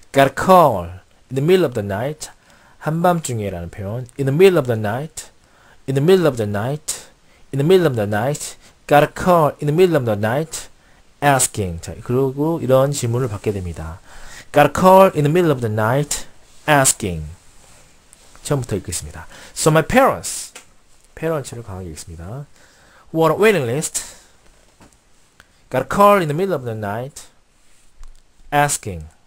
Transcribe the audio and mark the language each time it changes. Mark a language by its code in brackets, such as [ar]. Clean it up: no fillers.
[en] Got a call in the middle of the night. [ko] 한밤중에라는 표현. [en] In the middle of the night. In the middle of the night. In the middle of the night. Got a call in the middle of the night. Asking. [ko] 자, 그리고 이런 질문을 받게 됩니다. [en] Got a call in the middle of the night. Asking. [ko] 처음부터 읽겠습니다. [en] So my parents. Parents를 [ko] 강하게 읽습니다. [en] Were on a waiting list. Got a call in the middle of the night asking.